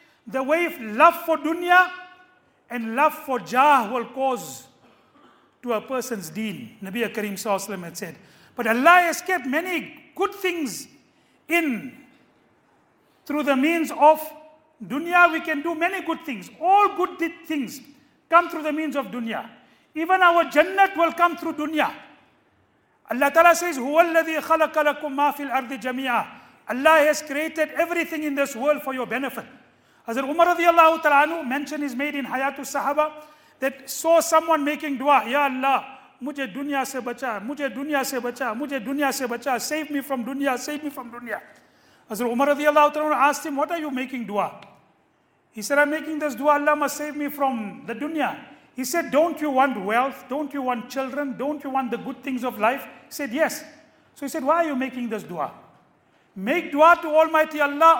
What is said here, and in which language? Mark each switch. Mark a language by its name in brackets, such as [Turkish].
[English] The way love for dunya and love for jah will cause to a person's deen. Nabi Karim Sallallahu Alaihi Wasallam had said. But Allah has kept many good things in through the means of dunya. We can do many good things. All good things come through the means of dunya. Even our jannat will come through dunya. Allah Ta'ala says, [Arabic] هُوَ الَّذِي خَلَقَ لَكُمْ مَا فِي الْأَرْضِ جَمِيعًا. [English] Allah has created everything in this world for your benefit. Hazrat Umar radiallahu ta'ala anhu, mention is made in Hayatul Sahaba, that saw someone making dua, Ya Allah, [Urdu] مجھے دنیا سے بچا, مجھے دنیا سے بچا, مجھے دنیا سے بچا, [English] save me from [Urdu] دنیا, save me from دنیا. [English] حضرت عمر رضی اللہ عنہ asked him, what are you making dua? He said, I'm making this dua, Allahumma save me from the dunya. He said, don't you want wealth? Don't you want children? Don't you want the good things of life? He said, yes. So he said, why are you making this dua? Make dua to Almighty Allah.